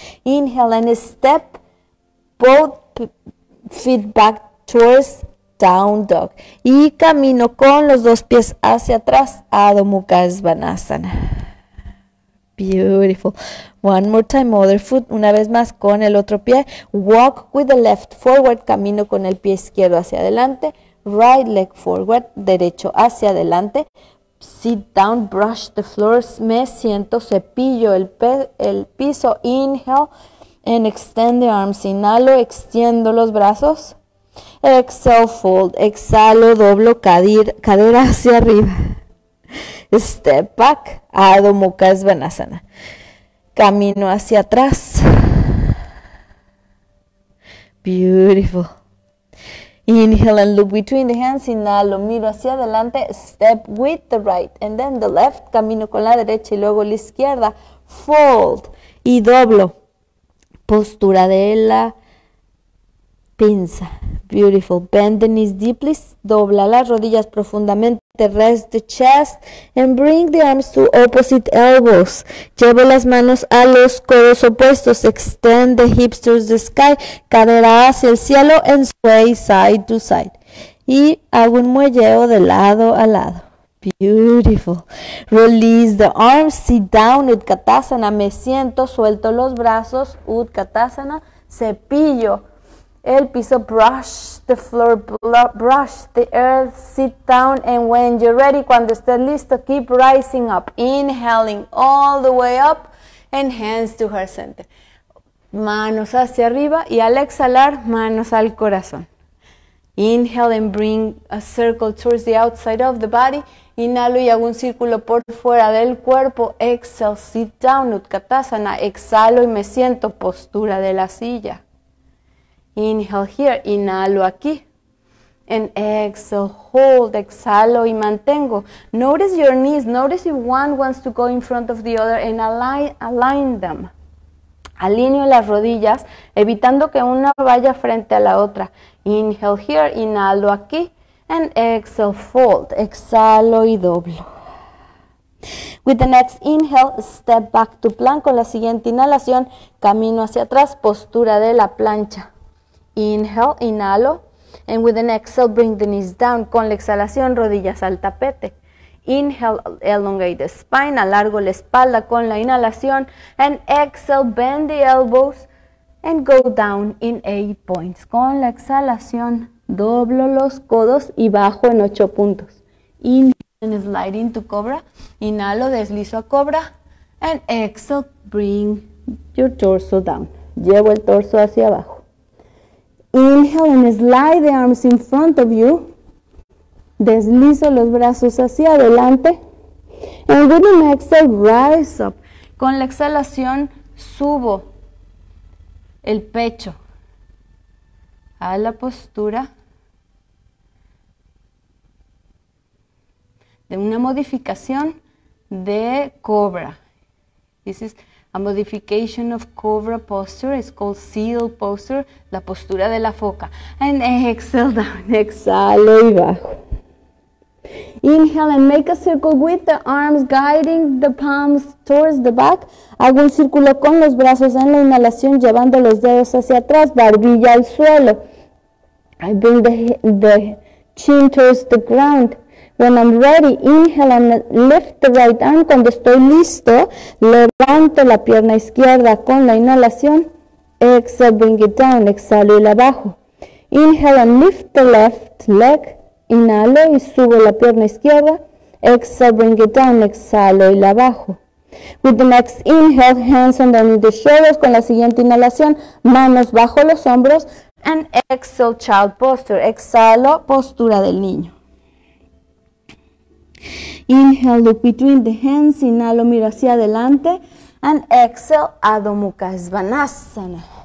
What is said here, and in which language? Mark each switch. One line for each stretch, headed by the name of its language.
English: Inhale and step both feet back towards down dog.
Spanish: Y camino con los dos pies hacia atrás.
Sanskrit: Adho Mukha Svanasana.
English: Beautiful. One more time, other foot.
Spanish: Una vez más con el otro pie.
English: Walk with the left forward.
Spanish: Camino con el pie izquierdo hacia adelante.
English: Right leg forward.
Spanish: Derecho hacia adelante.
English: Sit down. Brush the floor.
Spanish: Me siento. Cepillo el piso.
English: Inhale. And extend the arms.
Spanish: Inhalo, extiendo los brazos.
English: Exhale, fold.
Spanish: Exhalo, doblo cadera hacia arriba.
English: Step back. Adho Mukha Svanasana.
Spanish: Camino hacia atrás.
English: Beautiful. Inhale and look between the hands.
Spanish: Inhalo, miro hacia adelante.
English: Step with the right and then the left.
Spanish: Camino con la derecha y luego la izquierda.
English: Fold.
Spanish: Y doblo. Postura de la pinza.
English: Beautiful. Bend the knees deeply.
Spanish: Dobla las rodillas profundamente.
English: Rest the chest. And bring the arms to opposite elbows.
Spanish: Llevo las manos a los codos opuestos.
English: Extend the hips towards the sky.
Spanish: Cadera hacia el cielo.
English: And sway side to side.
Spanish: Y hago un muelleo de lado a lado.
English: Beautiful. Release the arms. Sit down. Utkatasana.
Spanish: Me siento. Suelto los brazos. Utkatasana. Cepillo el piso.
English: Brush the floor. Brush the earth. Sit down. And when you're ready,
Spanish: cuando estés listo,
English: keep rising up. Inhaling all the way up. And hands to heart center.
Spanish: Manos hacia arriba. Y al exhalar, manos al corazón.
English: Inhale and bring a circle towards the outside of the body.
Spanish: Inhalo y hago un círculo por fuera del cuerpo.
English: Exhale, sit down,
Spanish: Utkatasana. Exhalo y me siento, postura de la silla.
English: Inhale here,
Spanish: inhalo aquí.
English: And exhale, hold,
Spanish: exhalo y mantengo.
English: Notice your knees, notice if one wants to go in front of the other and align them.
Spanish: Alineo las rodillas, evitando que una vaya frente a la otra.
English: Inhale here,
Spanish: inhalo aquí.
English: And exhale, fold,
Spanish: exhalo y doblo.
English: With the next inhale, step back to plank.
Spanish: Con la siguiente inhalación, camino hacia atrás, postura de la plancha.
English: Inhale,
Spanish: inhalo.
English: And with an exhale, bring the knees down.
Spanish: Con la exhalación, rodillas al tapete.
English: Inhale, elongate the spine.
Spanish: Alargo la espalda con la inhalación.
English: And exhale, bend the elbows. And go down in 8 points.
Spanish: Con la exhalación, doblo los codos y bajo en 8 puntos.
English: Inhale, and slide into cobra.
Spanish: Inhalo, deslizo a cobra.
English: And exhale, bring your torso down.
Spanish: Llevo el torso hacia abajo.
English: Inhale and slide the arms in front of you.
Spanish: Deslizo los brazos hacia adelante.
English: And with an exhale, rise up.
Spanish: Con la exhalación, subo el pecho a la postura de una modificación de cobra.
English: This is a modification of cobra posture, it's called seal posture,
Spanish: la postura de la foca.
English: And exhale down,
Spanish: exhalo y bajo.
English: Inhale and make a circle with the arms, guiding the palms towards the back.
Spanish: Hago un círculo con los brazos en la inhalación, llevando los dedos hacia atrás, barbilla al suelo.
English: I bring the chin towards the ground. When I'm ready, inhale and lift the right arm.
Spanish: Cuando estoy listo, levanto la pierna izquierda con la inhalación.
English: Exhale, bring it down.
Spanish: Exhalo y la bajo.
English: Inhale and lift the left leg.
Spanish: Inhalo y subo la pierna izquierda.
English: Exhale, bring it down.
Spanish: Exhalo y la bajo.
English: With the next inhale, hands underneath the shoulders.
Spanish: Con la siguiente inhalación, manos bajo los hombros.
English: And exhale, child posture.
Spanish: Exhalo, postura del niño.
English: Inhale, look between the hands,
Spanish: inhalo, miro hacia adelante,
English: and exhale, Adho Mukha Svanasana.